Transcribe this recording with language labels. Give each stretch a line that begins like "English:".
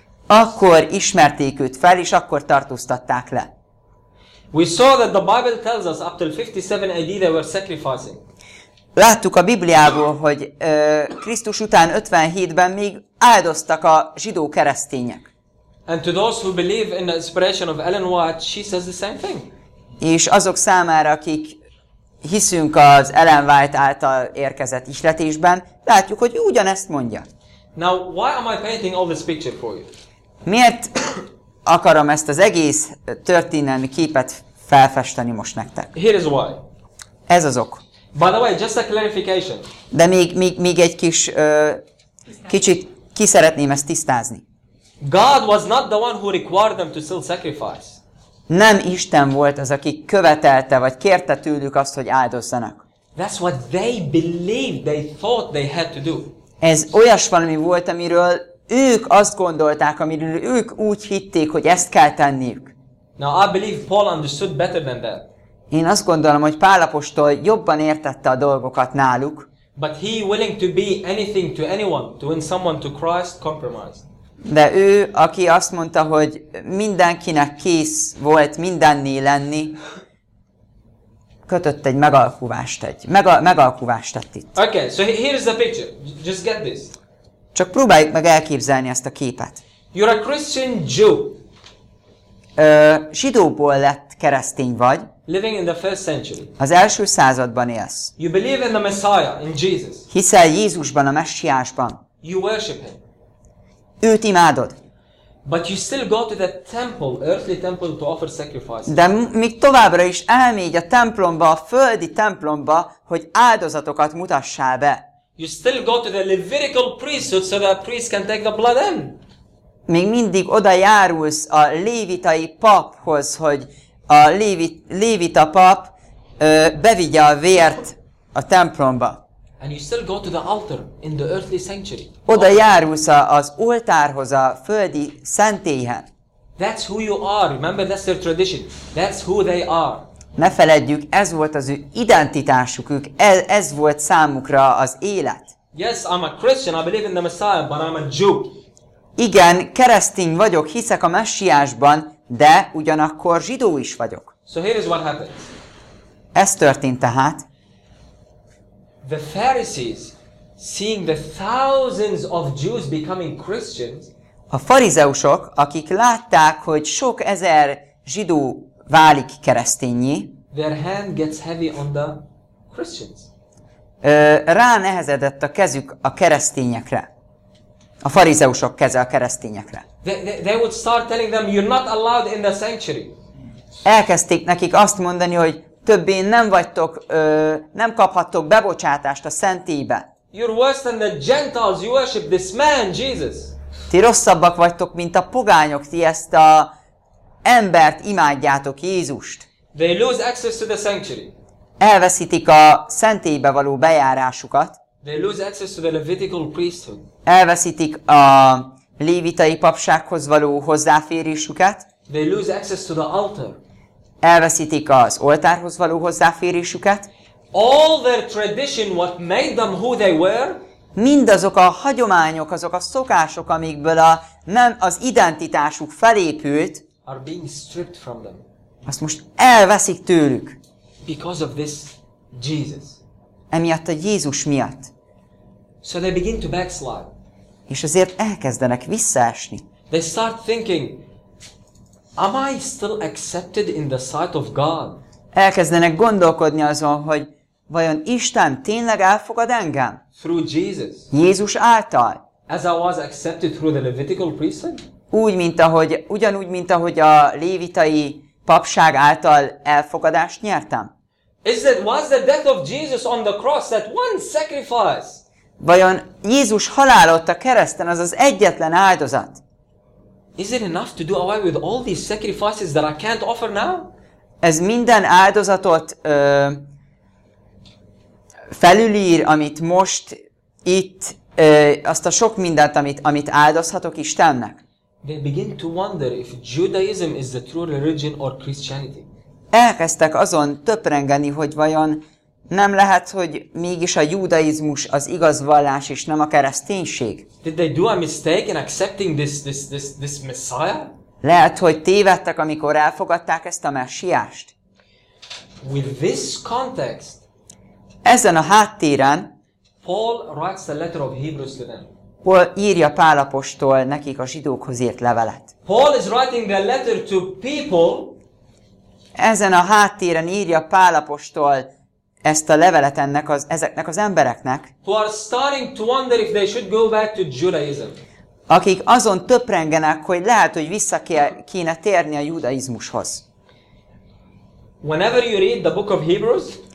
Hungarian: Akkor ismerték őt fel, és akkor tartóztatták le.
English: We saw that the Bible tells us up till 57 AD they were sacrificing.
Hungarian: Láttuk a Bibliából, hogy Krisztus után 57-ben még áldoztak a zsidó keresztények.
English: And to those who believe in the inspiration of Ellen White, she says the same thing.
Hungarian: És azok számára, akik hiszünk az Ellen White által érkezett ihletésben, látjuk, hogy ugyanezt mondja.
English: Now, why am I painting all this picture for you?
Hungarian: Miért akarom ezt az egész történelmi képet felfesteni most nektek?
English: Here is why.
Hungarian: Ez az ok.
English: By the way, just a clarification.
Hungarian: De még egy kis kicsit ki szeretném ezt tisztázni.
English: God was not the one who required them to still sacrifice.
Hungarian: Nem Isten volt az, aki követelte vagy kérte tőlük azt, hogy áldozzanak.
English: That's what they believed, they thought they had to do.
Hungarian: Ez olyas valami volt, amiről ők azt gondolták, amiről ők úgy hitték, hogy ezt kell tenniük.
English: Now I believe Paul understood better than that.
Hungarian: Én azt gondolom, hogy Pál apostol jobban értette a dolgokat náluk.
English: But he willing to be anything to anyone, to win someone to Christ, compromised.
Hungarian: De ő, aki azt mondta, hogy mindenkinek kész volt mindenné lenni, kötött egy megalkuvást, megalkuvást tett itt.
English: Okay, so here's the picture. Just get this.
Hungarian: Csak próbáljuk meg elképzelni ezt a képet.
English: You're a Christian Jew.
Hungarian: Zsidóból lett keresztény vagy.
English: Living in the first century.
Hungarian: Az első században élsz.
English: You believe in the Messiah, in Jesus.
Hungarian: Hiszel Jézusban, a Messiásban.
English: You worship him.
Hungarian: Őt imádod.
English: But you still go to the temple, earthly temple to offer sacrifices.
Hungarian: De még továbbra is elmegy a templomba, a földi templomba, hogy áldozatokat mutassál be.
English: You still go to the Levitical priesthood so that priest can take the blood in.
Hungarian: Még mindig oda járulsz a lévitai paphoz, hogy a lévita pap bevigye a vért a templomba.
English: And you still go to the altar in the earthly sanctuary.
Hungarian: Oda járulsz az oltárhoz, a földi szentélyhez.
English: That's who you are. Remember, that's their tradition. That's who they are.
Hungarian: Ne feledjük, ez volt az ő identitásuk, ez volt számukra az élet.
English: Yes, I'm a Christian, I believe in the Messiah, but I'm a Jew.
Hungarian: Igen, keresztény vagyok, hiszek a Messiásban, de ugyanakkor zsidó is vagyok.
English: So here is what happened.
Hungarian: Ez történt tehát.
English: The Pharisees, seeing the thousands of Jews becoming Christians,
Hungarian: a farizeusok, akik látták, hogy sok ezer zsidó válik keresztényi,
English: their hand gets heavy on the Christians.
Hungarian: Rá nehezedett a kezük a keresztényekre. A farizeusok keze a keresztényekre.
English: They would start telling them, you're not allowed in the sanctuary.
Hungarian: Elkezdték nekik azt mondani, hogy többé nem vagytok, nem kaphattok bebocsátást a szentélybe.
English: You're worse than the Gentiles, you worship this man, Jesus.
Hungarian: Ti rosszabbak vagytok, mint a pogányok, ti ezt a embert imádjátok, Jézust.
English: They lose access to the sanctuary.
Hungarian: Elveszítik a szentélybe való bejárásukat.
English: They lose access to the Levitical priesthood.
Hungarian: Elveszítik a lévitai papsághoz való hozzáférésüket.
English: They lose access to the altar.
Hungarian: Elveszítik az oltárhoz való hozzáférésüket.
English: All their tradition, what made them who they were,
Hungarian: mindazok a hagyományok, azok a szokások, amikből a, nem az identitásuk felépült,
English: are being stripped from them.
Hungarian: Azt most elveszik tőlük.
English: Because of this Jesus.
Hungarian: Emiatt a Jézus miatt.
English: So they begin to backslide.
Hungarian: És azért elkezdenek visszaesni.
English: They start thinking, am I still accepted in the sight of God?
Hungarian: Elkezdenek gondolkodni azon, hogy vajon Isten tényleg elfogad engem?
English: Through Jesus.
Hungarian: Jézus által.
English: As I was accepted through the Levitical priesthood?
Hungarian: Úgy, mint ahogy, ugyanúgy, mint ahogy a lévitai papság által elfogadást nyertem.
English: Is it was the death of Jesus on the cross that one sacrifice?
Hungarian: Vajon Jézus halál ott a kereszten az az egyetlen áldozat?
English: Is it enough to do away with all these sacrifices that I can't offer now?
Hungarian: Ez minden áldozatot felülír, amit most itt azt a sok mindent, amit áldozhatok Istennek.
English: They begin to wonder if Judaism is the true religion or Christianity.
Hungarian: Elkezdtek azon töprengeni, hogy vajon nem lehet, hogy mégis a judaizmus az igaz vallás és nem a kereszténység.
English: Did they do a mistake in accepting this Messiah?
Hungarian: Lehet, hogy tévedtek, amikor elfogadták ezt a messiást.
English: With this context,
Hungarian: ezen a háttéren
English: Paul writes the letter of Hebrews to them.
Hungarian: Paul írja Pál apostol nekik a zsidókhoz írt levelet.
English: Paul is writing the letter to people.
Hungarian: Ezen a háttéren írja Pál apostol ezt a levelet ennek az, ezeknek az embereknek.
English: Who are starting to wonder if they should go back to Judaism.
Hungarian: Akik azon töprengenek, hogy lehet, hogy vissza kéne térni a judaizmushoz.
English: Whenever you read the book of Hebrews,